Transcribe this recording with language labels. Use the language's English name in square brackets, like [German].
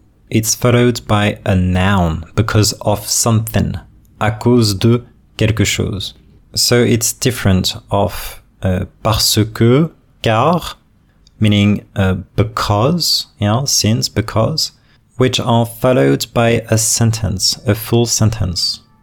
[English] It's followed by a noun, because of something. [French] À cause de quelque chose. [English] So, it's different of parce que, car, meaning because, since, because. Which are followed by a sentence, a full sentence.